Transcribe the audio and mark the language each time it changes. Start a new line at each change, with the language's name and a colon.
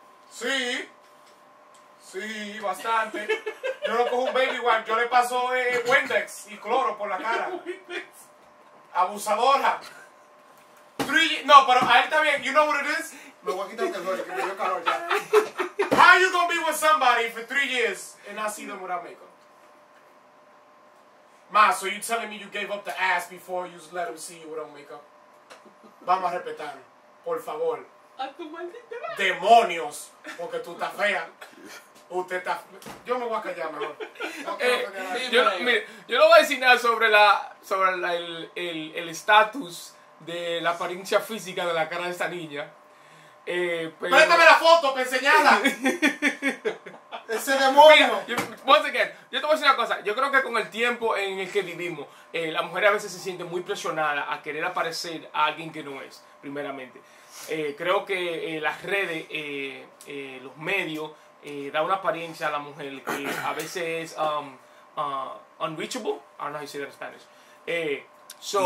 Spanish: Sí. Sí, bastante. Yo no cojo un baby wipe, yo le paso Wendex y cloro por la cara. Abusadora. No, pero a él también,
English: you know what it is?
Spanish: Me voy a quitar el calor, que me dio calor ya.
English: How are you gonna be with somebody for 3 years and not see them without makeup? Ma, so you telling me you gave up the ass before you let them see you without makeup?
Spanish: Vamos a respetar, por favor. A tu maldita madre. Demonios, porque tú estás fea. Usted está. Yo me voy a callar mejor. Yo no voy a decir nada sobre el estatus de la apariencia física de la cara de esta niña. Pero... Préstame la foto para enseñarla. Ese demonio. Mira, yo te voy a decir una cosa. Yo creo que con el tiempo en el que vivimos, la mujer a veces se siente muy presionada a querer aparecer a alguien que no es, primeramente. Creo que las redes, los medios, da una apariencia a la mujer que a veces es unreachable.
English: I don't know how you say that in Spanish.